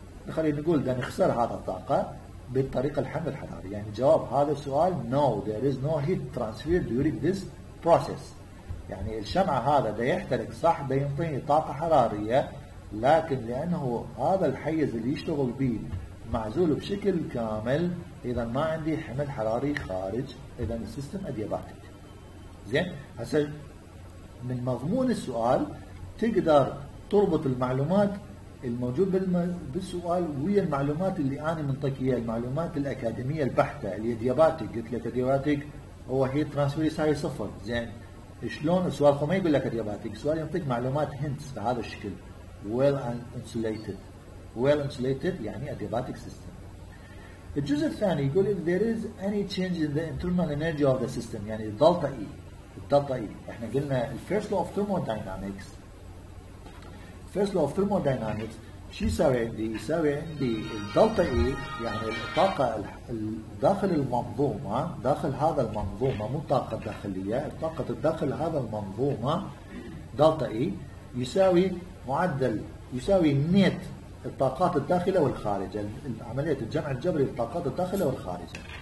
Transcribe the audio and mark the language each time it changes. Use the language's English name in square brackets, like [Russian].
[Arabic] خلينا نقول ده نخسر هذا الطاقة بالطريقة الحمل الحراري. يعني جواب هذا السؤال no. [English] There is no heat transfer during this process. [Arabic] يعني الشمعة هذا ده يحترق صح، ده ينطيني طاقة حرارية، لكن لأنه هذا الحيز اللي يشتغل به معزول بشكل كامل، إذا ما عندي حمل حراري خارج، إذا السيستم adiabatic. زين، هسه من مضمون السؤال تقدر تربط المعلومات الموجودة بالسؤال ويا المعلومات اللي أنا منطقية، المعلومات الأكاديمية البحتة. adiabatic قلت لك adiabatic هو heat transfer يساوي صفر. زين، شلون السؤال خو ما يقول لك adiabatic، السؤال يعطيك معلومات hints بهذا الشكل [English] well insulated. Well insulated [Arabic] يعني [English] adiabatic system. [Arabic] الجزء الثاني يقول [English] if there is any change in the internal energy of the system، [Arabic] يعني الدلتا E. الدلتا E احنا قلنا ال first law of thermodynamics. First law of thermodynamics شو يساوي عندي؟ يساوي عندي الدلتا E يعني الطاقة داخل المنظومة، داخل هذا المنظومة، مو الطاقة الداخلية، الطاقة داخل هذا المنظومة دلتا E يساوي معدل، يساوي نت الطاقات الداخلة والخارجة، عملية الجمع الجبري للطاقات الداخلة والخارجة.